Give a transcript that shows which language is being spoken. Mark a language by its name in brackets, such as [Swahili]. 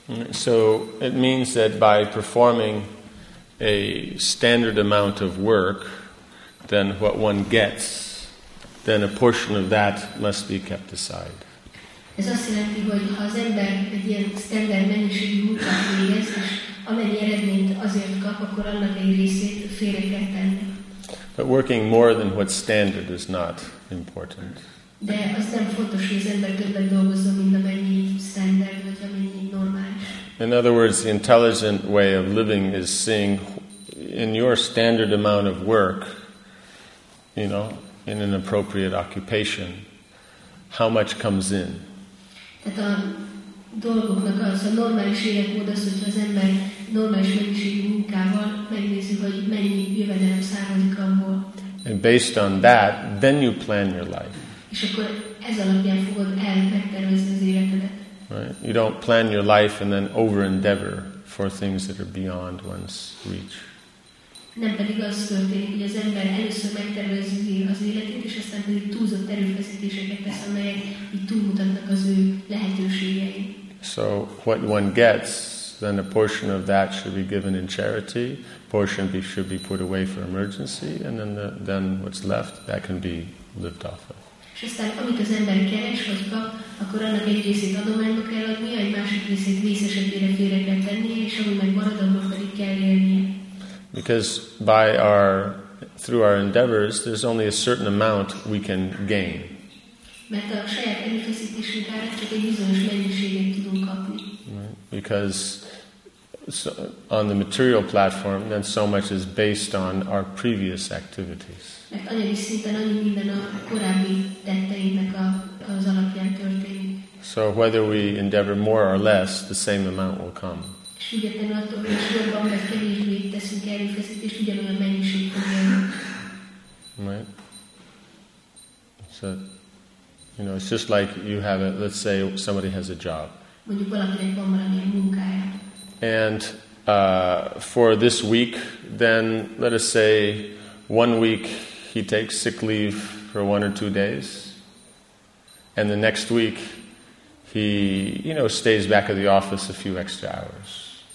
[English] So it means that by performing a standard amount of work, then what one gets, then a portion of that must be kept aside. [Hungarian] Ez azt jelenti, hogy ha az ember egy ilyen standard mennyiségű munkát végez, amennyi eredményt azért kap, akkor annak egy részét félre kell tenni. [English] But working more than what standard is not important. [Hungarian] De az nem fontos, hogy az ember többet dolgozza, mint amennyi standard, vagy amennyi normális. [English] In other words, the intelligent way of living is seeing in your standard amount of work, you know, in an appropriate occupation, how much comes in. [Hungarian] Tehát a dolgoknak az a normális életmód az, hogyha az ember normális mennyiségű munkával megnézi, hogy mennyi jövedelem származik abból. [English] And based on that, then you plan your life. [Hungarian] És akkor ez alapján fogod el megtervezni az életedet. [English] Right? You don't plan your life and then over-endeavor for things that are beyond one's reach. [Hungarian] Nem pedig az történik, hogy az ember először megtervezi az életét, és aztán pedig túlzott erőfeszítéseket tesz, amelyek így túlmutatnak az ő lehetőségei. [English] So what one gets, then a portion of that should be given in charity, portion should be put away for emergency, and then what's left, that can be lived off of. [Hungarian] És aztán amit az ember keres, vagy kap, akkor annak egy részét adományba kell adni, egy másik részét vészesetére félre kell tenni, és ami meg marad, annak pedig kell élnie. [English] Because by our, through our endeavors, there's only a certain amount we can gain. [Hungarian] Mert a saját erőfeszítésünk árán csak egy bizonyos mennyiséget tudunk kapni. [English] Right. Because so, on the material platform, then so much is based on our previous activities. [Hungarian] Mert anyagi szinten annyi minden a korábbi tetteinknek az alapján történik. [English] So whether we endeavor more or less, the same amount will come. [Hungarian] Függetlenül attól, hogy sorban meg kevésbé teszünk erőfeszítést, ugyanolyan mennyiség fog jönni. Right. [English] So, you know, it's just like you have a, let's say somebody has a job. [Hungarian] Mondjuk valakinek van valami munkája. [English] And for this week, then let us say 1 week he takes sick leave for 1 or 2 days, and the next week he, you know, stays back at the office a few extra hours.